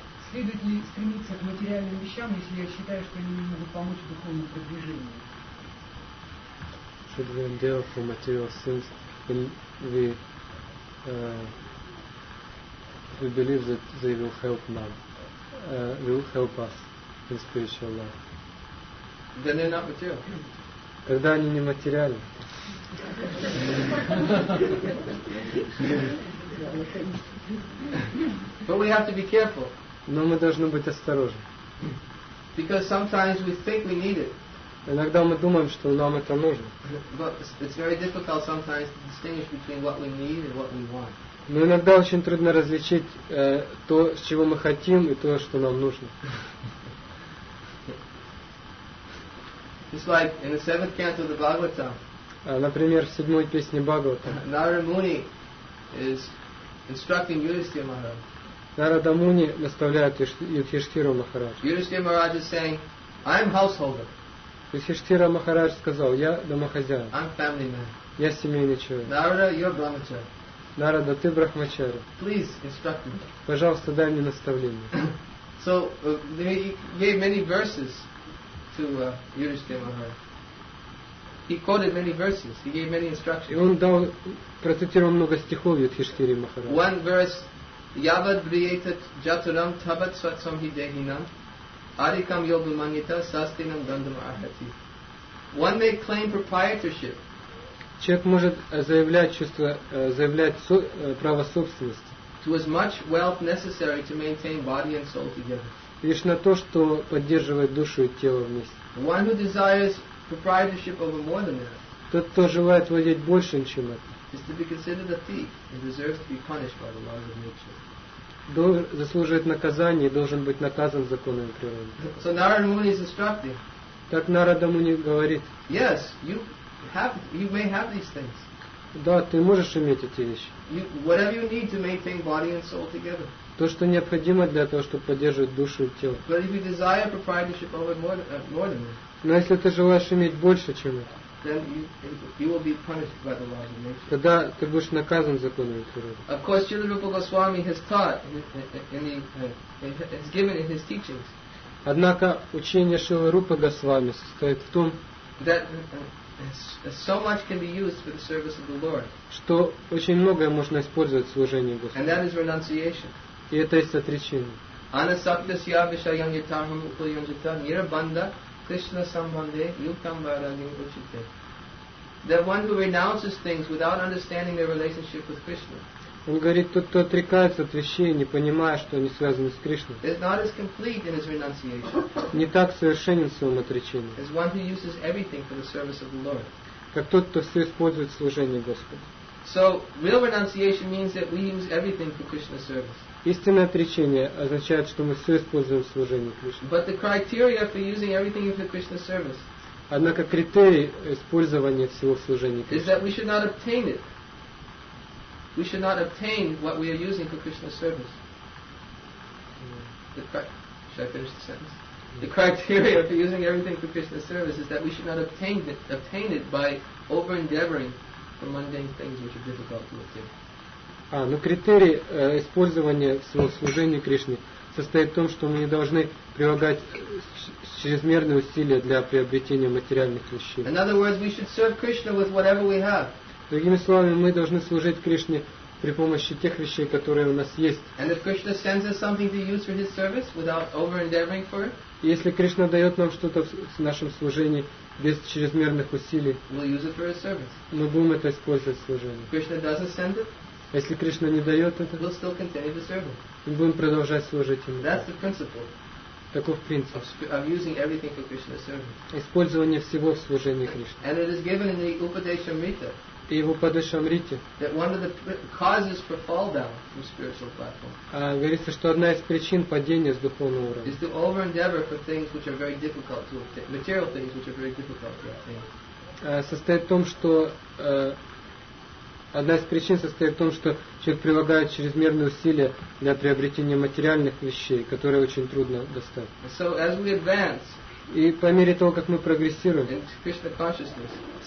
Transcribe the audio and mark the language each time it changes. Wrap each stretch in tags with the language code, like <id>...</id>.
<ru>Следует ли стремиться к материальным вещам, если я считаю, что они не могут помочь духовному продвижению?</ru> <en>Should we endeavor for material things when we believe that they will help man, will help us in spiritual life? Then they're not material.</en> <ru>Когда они не материальны.</ru> <en>But we have to be careful.</en> <ru>Но мы должны быть осторожны.</ru> <en>Because sometimes we think we need it.</en> <ru>Иногда мы думаем, что нам это нужно.</ru> <en>But it's very difficult sometimes to distinguish between what we need and what we want.</en> <ru>Но иногда очень трудно различить то, с чего мы хотим, и то, что нам нужно.</ru> <en>It's like in the seventh canto of the Bhagavatam.</en> <ru>Например, в седьмой песне Бхагавата.</ru> <en>Narada Muni is instructing Yudhishthira Maharaj.</en> <ru>Narada Muni наставляет Юдхиштхиру Махараджу.</ru> <en>Yudhishthira Maharaj is saying, I'm householder.</en> <ru>Юдхиштхира Махарадж сказал, я домохозяин.</ru> <en>I'm family man.</en> <ru>Я семейный человек.</ru> <en>Narada, you're brahmachari.</en> <ru>Narada, ты брахмачари.</ru> <en>Please instruct me.</en> <ru>Пожалуйста, дай мне наставление.</ru> <en>So he gave many verses to Yudhishthira Maharaj. He quoted many verses. He gave many instructions.</en> <ru>И он дал, процитировал много стихов Юдхиштхире Махарадж.</ru> <sa>One verse, Yavad Briyetat Jaturam Tabat Swatsam Hidehinam. Arikam yoga manita sastinam dandam arhati.</sa> <en>One may claim proprietorship.</en> <ru>Человек может заявлять чувство, заявлять право собственности.</ru> <en>To as much wealth necessary to maintain body and soul together.</en> <ru>Лишь на то, что поддерживает душу и тело вместе.</ru> <en>One who desires proprietorship over more than that.</en> <ru>Тот, кто желает владеть большим, чем это.</ru> <en>Is to be considered a thief and deserves to be punished by the laws of nature.</en> <ru>Заслуживает наказания и должен быть наказан законами природы.</ru> <en>So Narada Muni is instructing.</en> <ru>Так Narada Muni говорит.</ru> <en>Yes, you may have these things.</en> <ru>Да, ты можешь иметь эти вещи.</ru> <en>Whatever you need to maintain body and soul together.</en> <ru>То, что необходимо для того, чтобы поддерживать душу и тело.</ru> <en>But if you desire proprietorship over more than that.</en> <ru>Но если ты желаешь иметь больше, чем это.</ru> <en>Then you will be punished by the laws of nature.</en> <ru>Тогда ты будешь наказан законами природы.</ru> <en>Of course, Śrīla Rūpa Gosvāmī has taught in the has given in his teachings.</en> <ru>Однако учение Śrīla Rūpa Gosvāmī состоит в том,</ru> <en>that so much can be used for the service of the Lord.</en> <ru>Что очень многое можно использовать в служении Господу.</ru> <en>And that is renunciation.</en> <ru>И это есть отречение.</ru> <sa>Anasaktasya viṣayam yathāham upayojita nirbandha. Krishna sambandhe yukam vairagyam uchite.</sa> <en>That one who renounces things without understanding their relationship with Krishna.</en> <ru>Он говорит, тот, кто отрекается от вещей, не понимая, что они связаны с Кришной.</ru> <en>Is not as complete in his renunciation.</en> <ru>Не так совершенен в своем отречении.</ru> <en>As one who uses everything for the service of the Lord.</en> <ru>Как тот, кто все использует в служении Господу.</ru> <en>So real renunciation means that we use everything for Krishna's service.</en> <ru>Истинное отречение означает, что мы все используем в служении Кришне.</ru> <en>But the criteria for using everything for Krishna's service.</en> <ru>Однако критерий использования всего в служении Кришне.</ru> <en>Is that we should not obtain it. We should not obtain what we are using for Krishna's service. Should I finish the sentence? The criteria for using everything for Krishna's service is that we should not obtain it by over-endeavoring for mundane things which are difficult to achieve.</en> <ru>А, ну критерий использования своего служения Кришне состоит в том, что мы не должны прилагать чрезмерные усилия для приобретения материальных вещей.</ru> <en>In other words, we should serve Krishna with whatever we have.</en> <ru>Другими словами, мы должны служить Кришне при помощи тех вещей, которые у нас есть.</ru> <en>And if Krishna sends us something to use for his service without over-endeavoring for it,</en> <ru>если Кришна дает нам что-то в нашем служении без чрезмерных усилий,</ru> <en>we'll use it for his service.</en> <ru>Мы будем это использовать в служении.</ru> <en>Krishna doesn't send it,</en> <ru>если Кришна не дает это,</ru> <en>we'll still continue to serve him.</en> <ru>Мы будем продолжать служить ему.</ru> <en>That's the principle.</en> <ru>Таков принцип.</ru> <en>Of using everything for Krishna's service.</en> <ru>Использование всего в служении Кришне.</ru> <en>And it is given in the Upadeshamrita.</en> <ru>И в Упадешамрите.</ru> <en>That one of the causes for fall down from spiritual platform.</en> <ru>Говорится, что одна из причин падения с духовного уровня.</ru> <en>Is to over-endeavor for things which are very difficult to obtain, material things which are very difficult to obtain.</en> <ru>Состоит в том, что одна из причин состоит в том, что человек прилагает чрезмерные усилия для приобретения материальных вещей, которые очень трудно достать.</ru> <en>So as we advance.</en> <ru>И по мере того, как мы прогрессируем в</ru>